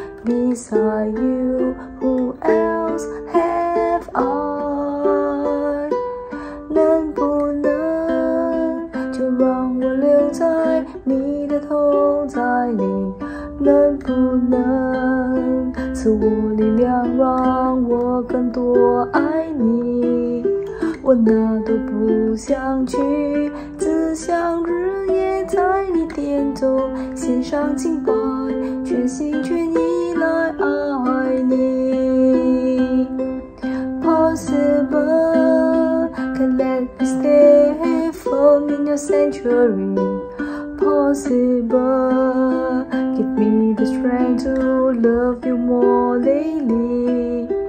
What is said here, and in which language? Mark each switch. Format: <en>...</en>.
<en>Beside you, who else have I?</en> <zh>能不能就让我留在你的同在里？能不能赐我力量，让我更多爱你？我哪都不想去，只想日夜在你殿中献上敬拜，全心全意来爱你。</zh> <en>Possible, can let me stay firm in your sanctuary. Possible, give me the strength to love you more daily.</en>